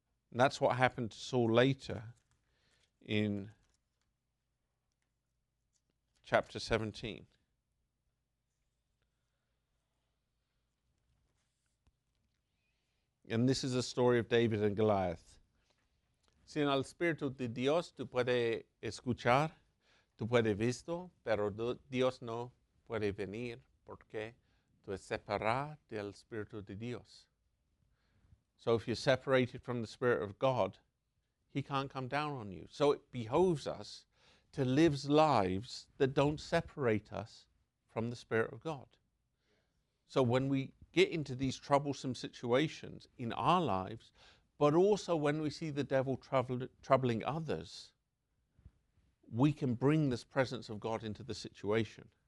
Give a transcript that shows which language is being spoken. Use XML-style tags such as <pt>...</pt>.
<en>And that's what happened to Saul later in chapter 17. And this is the story of David and Goliath.</en> <es>Sin el Espíritu de Dios, tú puedes escuchar, tú puedes visto, pero Dios no puede venir porque tú es separado del Espíritu de Dios.</es> <en>So if you're separated from the Spirit of God, He can't come down on you. So it behoves us to live lives that don't separate us from the Spirit of God. So when we get into these troublesome situations in our lives, but also when we see the devil troubling others, we can bring this presence of God into the situation.</en>